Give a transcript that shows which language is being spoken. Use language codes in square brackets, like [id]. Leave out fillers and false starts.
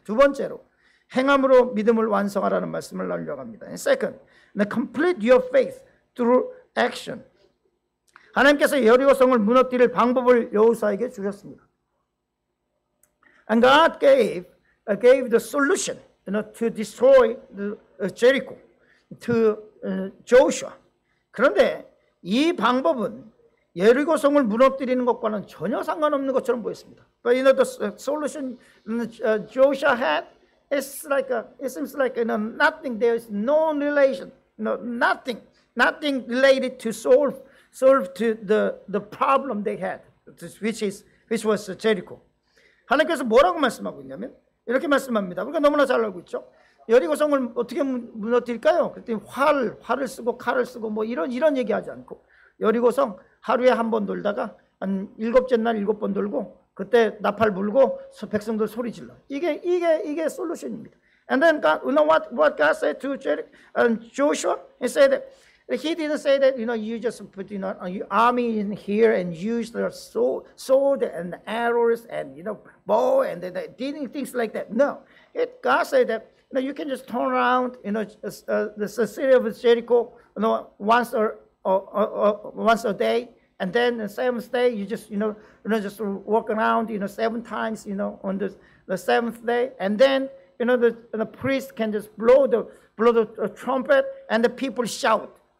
[ko] 두 번째로 행함으로 믿음을 완성하라는 말씀을 나누려고 합니다. [en] And second, now complete your faith through action. [ko] 하나님께서 여리고성을 무너뜨릴 방법을 여호수아에게 주셨습니다. [en] And God gave the solution, you know, to destroy the Jericho to Joshua. [ko] 그런데 이 방법은 여리고성을 무너뜨리는 것과는 전혀 상관없는 것처럼 보였습니다. [en] But you know the solution Joshua had, it seems like you know, nothing. There is no relation. No, nothing related to solve to the problem they had, which was Jericho. [ko] 하나님께서 뭐라고 말씀하고 있냐면 이렇게 말씀합니다. 우리가 너무나 잘 알고 있죠. 여리고성을 어떻게 무너뜨릴까요? 그랬더니 활을 쓰고 칼을 쓰고 뭐 이런 얘기하지 않고 여리고성 하루에 한 번 놀다가 한 일곱째 날 일곱 번 돌고 그때 나팔 불고 백성들 소리 질러. 이게 솔루션입니다. [en] And then God, you know what God said to Joshua? He said that he didn't say that, you know, you just put you know, your army in here and use the sword and the arrows and, you know, bow and the things like that. No, God said that, you know, you can just turn around, you know, the city of Jericho, you know, once a day, and then the seventh day, you just walk around, you know, seven times, you know, on the seventh day, and then, you know, the priest can just blow the trumpet and the people shout.